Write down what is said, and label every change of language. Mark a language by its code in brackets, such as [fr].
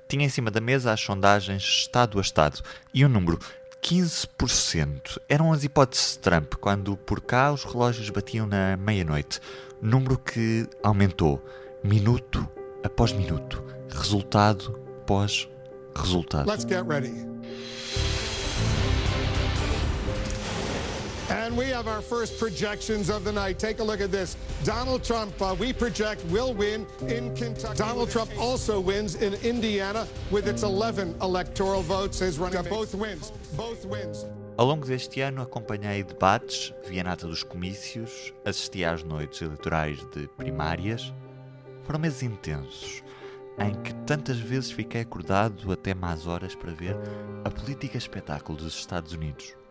[pt] Tinha em cima da mesa as sondagens estado a estado e o número 15% eram as hipóteses de Trump quando por cá os relógios batiam na meia-noite. Número que aumentou minuto após minuto, resultado após resultado. [en] Let's get ready. And we have our first projections of the night. Take a look at this. Donald Trump, we project, will win in Kentucky. Donald Trump also wins in Indiana with its 11 electoral votes. His running mate. Both wins. Both wins. [pt] Ao longo deste ano, acompanhei debates, vi a nata dos comícios, assisti às noites eleitorais de primárias. Foram meses intensos, em que tantas vezes fiquei acordado até más horas para ver a política espetáculo dos Estados Unidos.